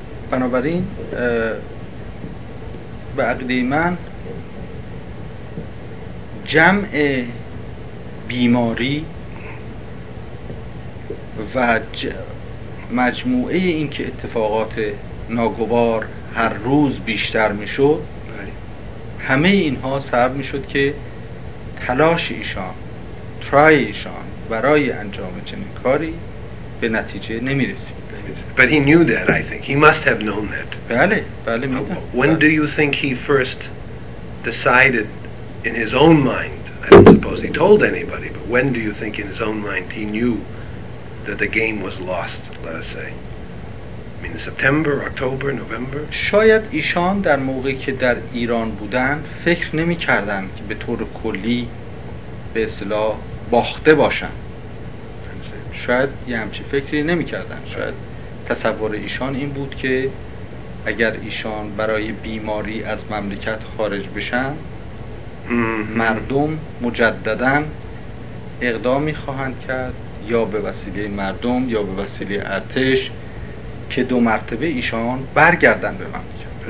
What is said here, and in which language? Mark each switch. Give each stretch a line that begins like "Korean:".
Persian: بنابراین به عقیده من جمع بیماری و مجموعه این که اتفاقات ناگوار هر روز بیشتر می شد همه اینها سبب می شد که تلاش ایشان try ایشان برای انجام چنین کاری به نتیجه نمی رسید.
English: But he knew that, I think. He must have known that.
Persian: بله، بله می دونم.
English: When do you think he first decided in his own mind? I don't suppose he told anybody, but when do you think in his own mind he knew that the game was lost, let us say? I mean, September, October, November.
Persian: شاید ایشان در موقعی که در ایران بودن فکر نمی کردن که به طور کلی به اصطلاح باخته باشن. شاید یه همچی فکری نمی کردن. شاید تصور ایشان این بود که اگر ایشان برای بیماری از مملکت خارج بشن مردم مجددن اقدامی خواهند کرد یا به وسیله مردم یا به وسیله ارتش که دو مرتبه ایشان برگردن به مملکت.